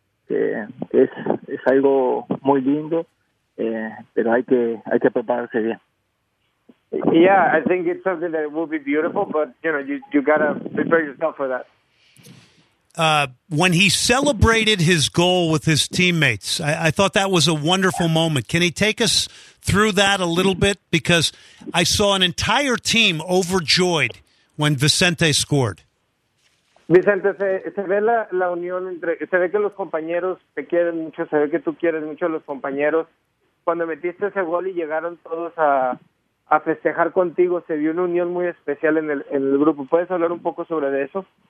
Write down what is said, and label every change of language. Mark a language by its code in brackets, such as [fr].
[es] que es algo muy lindo, pero hay que prepararse bien. [en] Yeah, I think it's something that will be beautiful, but you know, you gotta prepare yourself for that. When he celebrated his goal with his teammates, I thought that was a wonderful moment. Can he take us through that a little bit? Because I saw an entire team overjoyed when Vicente scored. [es] Vicente, se ve la unión entre, se ve que los compañeros te quieren mucho, se ve que tú quieres mucho a los compañeros. Cuando metiste ese gol y llegaron todos a festejar contigo, se vio una unión muy especial en el grupo. ¿Puedes hablar un poco sobre eso?